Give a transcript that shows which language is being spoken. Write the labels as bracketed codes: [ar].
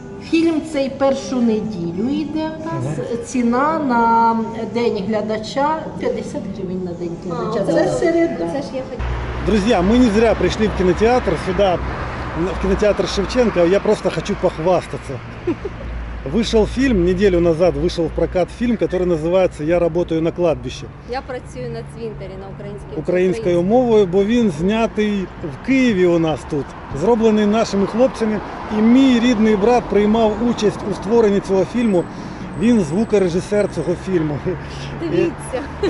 [uk] Фільм цей першу неділю йде в нас. Ціна на день глядача 50 гривень на день глядача. Це середа. Друзі, ми не зря прийшли в кінотеатр, сюди, в кінотеатр Шевченка. Я просто хочу похвастатися. [ru] Вышел фильм, неделю назад вышел в прокат фильм, который называется «Я работаю на кладбище». [uk] «Я працюю на цвинтарі» на українській. Українською мовою, бо він знятий в Києві у нас тут, зроблений нашими хлопцями. І мій рідний брат приймав участь у створенні цього фільму. Він звукорежисер цього фільму. Дивіться.